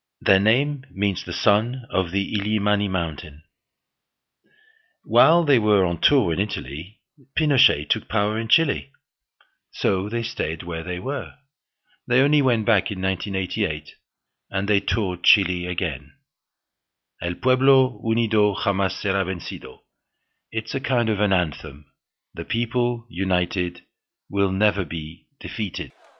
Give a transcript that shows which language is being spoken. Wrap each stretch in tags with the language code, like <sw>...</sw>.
<en>Their name means the son of the Illimani mountain. While they were on tour in Italy, Pinochet took power in Chile, so they stayed where they were. They only went back in 1988, and they toured Chile again.</en> <es>El pueblo unido jamás será vencido.</es> <en>It's a kind of an anthem. The people united will never be defeated.</en>